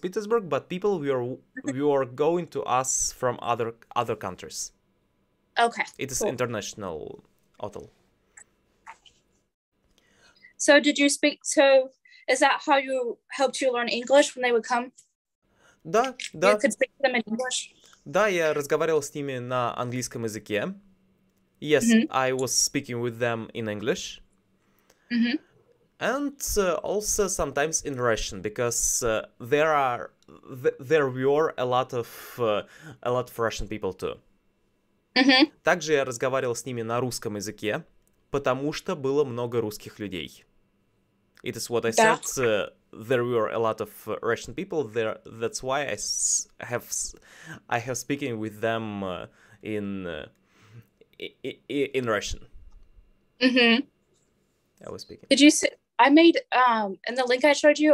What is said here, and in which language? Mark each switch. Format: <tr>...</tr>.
<en>Petersburg, but people were going to us from other countries. Okay. It is cool. International hotel. So did you speak to, is that how you helped you learn English when they would come?</en> <ru>Да, да.</ru> <en>You could speak to them in English.</en> <ru>Да, я разговаривал с ними на английском языке.</ru> <en>Yes, mm-hmm. I was speaking with them in English. Mm-hmm. And also sometimes in Russian, because there were a lot of Russian people too. Mm-hmm.</en> <ru>Также я разговаривал с ними на русском языке, потому что было много русских людей.</ru> <en>It is what I said. There were a lot of Russian people there. That's why I have speaking with them in Russian. Mm-hmm. I was speaking. Did you say? I made in the link I showed you.</en>